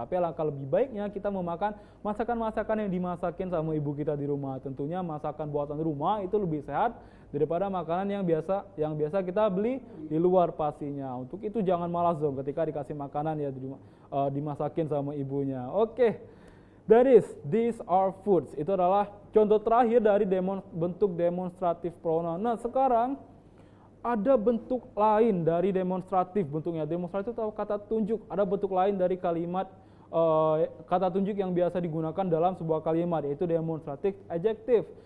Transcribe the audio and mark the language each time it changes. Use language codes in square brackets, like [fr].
[id] Tapi alangkah lebih baiknya kita memakan masakan-masakan yang dimasakin sama ibu kita di rumah. Tentunya masakan buatan rumah itu lebih sehat daripada makanan yang biasa kita beli di luar pastinya. Untuk itu jangan malas dong ketika dikasih makanan ya dimasakin sama ibunya. [en] Oke, that is, these are foods. [id] Itu adalah contoh terakhir dari bentuk demonstratif pronoun. Nah sekarang, ada bentuk lain dari demonstratif bentuknya. Demonstratif atau kata tunjuk. Ada bentuk lain dari kalimat kata tunjuk yang biasa digunakan dalam sebuah kalimat, yaitu demonstratif adjective.